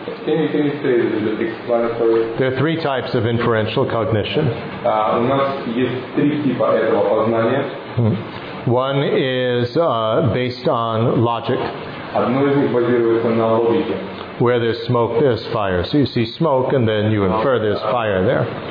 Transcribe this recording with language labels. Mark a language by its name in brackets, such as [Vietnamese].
[English] Can you say the explanatory? There are three types of inferential cognition. [Russian] У нас есть три типа этого познания. [English] One is based on logic. [Russian] Одно из них базируется на логике. [English] Where there's smoke, there's fire. So you see smoke, and then you infer there's fire there.